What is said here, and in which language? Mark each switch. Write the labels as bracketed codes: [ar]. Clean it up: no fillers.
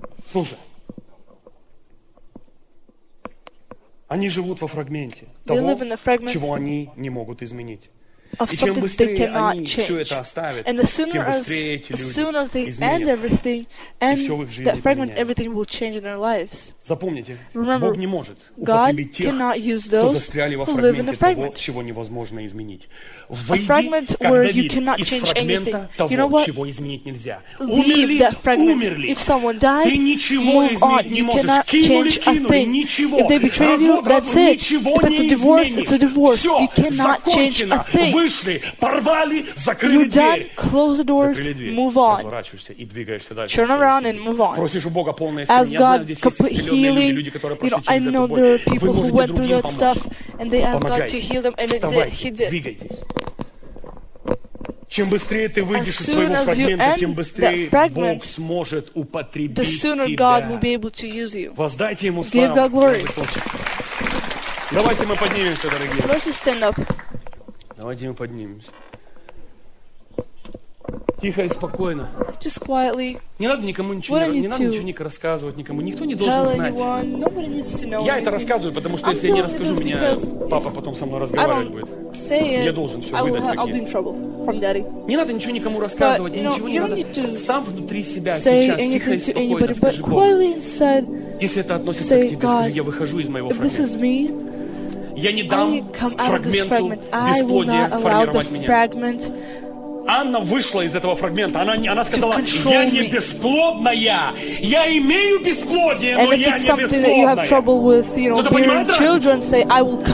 [ru] Слушай. Они живут во фрагменте того, чего они не могут изменить. [en] Of something they cannot change. And as soon as they end everything, and that fragment, everything will change in their lives. Remember, God cannot use those who live in the fragment. A fragment where you cannot change anything. You know what? Leave that fragment. If someone died, move on. You cannot change a thing. If they betrayed you, that's it. If it's a divorce, it's a divorce. You cannot change a thing. You're done, close the doors, move on. Turn around and move on. Ask God complete healing. You know, I know there are people who went through that stuff, and they asked God to heal them, and it did. He did. [ru] Чем быстрее ты выйдешь из своего фрагмента, тем быстрее Бог сможет употребить тебя. Воздайте ему славу. Давайте мы поднимемся, дорогие. [en] Let's just stand up. [ru] Давайте мы поднимемся. Тихо и спокойно. [en] Just quietly. [ru] Не надо никому ничего, не надо ничего никому рассказывать никому. Никто не должен [en] tell [ru] знать. [en] Anyone. Nobody needs to know. [ru] Я это рассказываю, потому что если я не расскажу, меня папа потом со мной разговаривать будет. Я должен все выдать, как [en] I'll [ru] есть. [en] Be in trouble from daddy. [ru] Не надо ничего никому рассказывать, ничего не надо. Сам внутри себя сейчас тихо и спокойно скажи Богу. [en] Inside, [ru] если это относится к тебе, скажи, я выхожу из моего фрагмента. Я не дам фрагменту фрагмент. Анна вышла из этого фрагмента. Она сказала, я не бесплодная. Я имею бесплодие, [en] and [ru] но я не бесплодная. [en] You have trouble with, you know, bearing children, say, I will come